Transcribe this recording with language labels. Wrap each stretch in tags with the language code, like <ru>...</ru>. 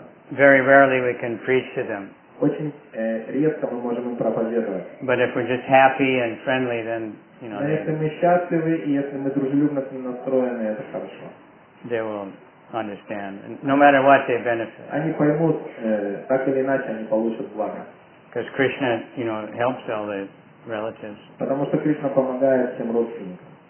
<en>Very rarely we can preach to them.</en> <ru>Очень редко мы можем им проповедовать.</ru> <en>But if we're just happy and friendly, then, you know,</en> <ru>если мы счастливы и если мы дружелюбно с ним настроены, это хорошо.</ru> <en>They will understand. No matter what, they benefit.</en> <ru>Они поймут, так или иначе, они получат благо.</ru> <en>Because Krishna, you know, helps all the relatives.</en> <ru>Потому что Кришна помогает всем родственникам.</ru>